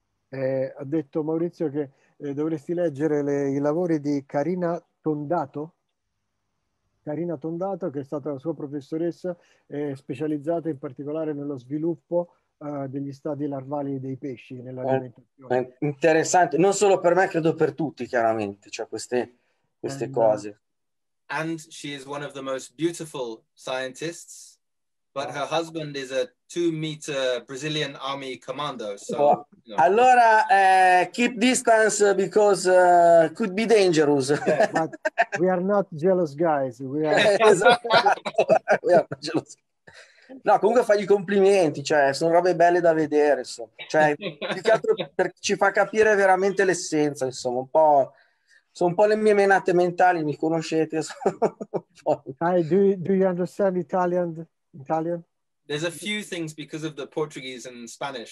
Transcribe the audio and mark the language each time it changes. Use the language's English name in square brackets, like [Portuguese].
[Italian] Ha detto Maurizio che dovresti leggere i lavori di Carina Tondato. Carina Tondato, che è stata la sua professoressa, specializzata in particolare nello sviluppo degli stadi larvali dei pesci nell'alimentazione. Interessante, non solo per me, credo per tutti, chiaramente, cioè queste cose. [English] And she is one of the most beautiful scientists, but her husband is a 2-meter Brazilian army commando. So, you know. Allora, keep distance because could be dangerous. Yeah, but we are not jealous guys. We are, we are not jealous. [Italian] No, comunque fagli complimenti, cioè sono robe belle da vedere, insomma. Cioè, più che altro ci fa capire veramente l'essenza, insomma, un po'. Sono un po' le mie menate mentali, mi conoscete. [English] do you understand Italian? There's a few things because of the Portuguese and Spanish.